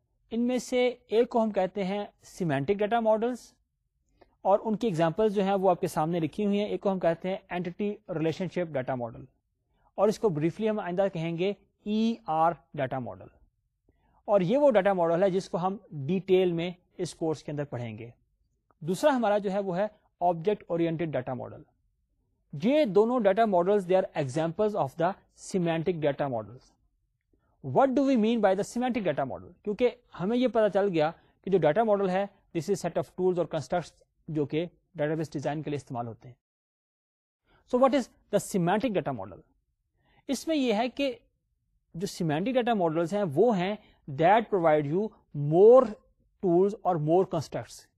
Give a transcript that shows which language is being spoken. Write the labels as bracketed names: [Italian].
[Urdu] ان میں سے ایک کو ہم کہتے ہیں سیمینٹک ڈیٹا ماڈلس, اور ان کی ایگزامپلس جو ہیں وہ آپ کے سامنے لکھی ہوئی ہیں. ایک کو ہم کہتے ہیں اینٹیٹی ریلیشن شپ ڈیٹا ماڈل, اور اس کو بریفلی ہم آئندہ کہیں گے ای آر ڈیٹا ماڈل. اور یہ وہ ڈیٹا ماڈل ہے جس کو ہم ڈیٹیل میں اس کورس کے اندر پڑھیں گے. دوسرا ہمارا جو ہے وہ ہے آبجیکٹ اورینٹڈ ڈیٹا ماڈل. یہ دونوں data models [English] They are examples of the semantic data models. What do we mean by the semantic data model? [Urdu] کیونکہ ہمیں یہ پتا چل گیا کہ جو ڈیٹا ماڈل ہے [English] this is set of tools [Urdu] اور کنسٹرکٹس جو کہ ڈیٹا بیس ڈیزائن کے لیے استعمال ہوتے ہیں. [English] So what is the semantic data model? [Urdu] اس میں یہ ہے کہ جو سیمینٹک ڈیٹا ماڈلز ہیں وہ ہیں [English] That provide you more tools اور more constructs.